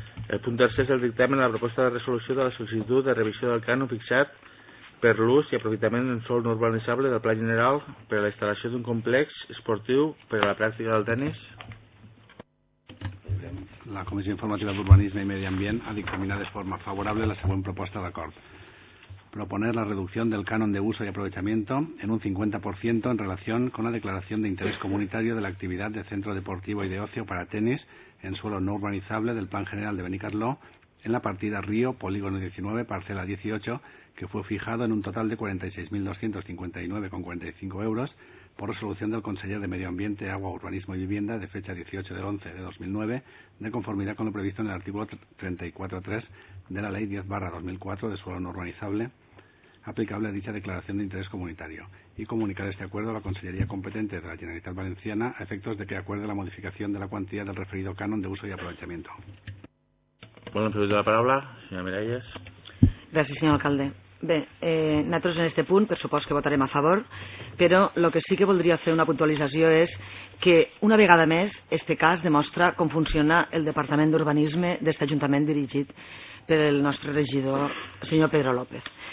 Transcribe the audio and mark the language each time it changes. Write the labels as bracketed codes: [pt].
[ca] El punt tercer és el dictamen de la proposta de resolució de la sol·licitud de revisió del cànon fixat per l'ús i aprofitament en sòl no urbanitzable del Pla General per a la instal·lació d'un complex esportiu per a la pràctica del tennis. La Comissió Informativa d'Urbanisme i Medi Ambient ha dictaminat de forma favorable la següent proposta d'acord. [es] Proponer la reducción del canon de uso y aprovechamiento en un 50% en relación con la declaración de interés comunitario de la actividad de centro deportivo y de ocio para tenis en suelo no urbanizable del Plan General de Benicarló en la partida Río Polígono 19, parcela 18, que fue fijado en un total de 46.259,45 € por resolución del Conseller de Medio Ambiente, Agua, Urbanismo y Vivienda de fecha 18/11/2009, de conformidad con lo previsto en el artículo 34.3 de la Ley 10/2004 de suelo no urbanizable, aplicable a dicha declaración de interés comunitario, y comunicar este acuerdo a la Consellería competente de la Generalitat Valenciana a efectos de que acuerde la modificación de la cuantía del referido canon de uso y aprovechamiento. Bueno, en primer la palabra, señora Miralles. [ca] Gràcies, senyor alcalde. Bé, nosaltres en aquest punt, per supost que votarem a favor, però el que sí que voldria fer una puntualització és que una vegada més aquest cas demostra com funciona el Departament d'Urbanisme d'aquest Ajuntament dirigit per el nostre regidor, el senyor Pedro López.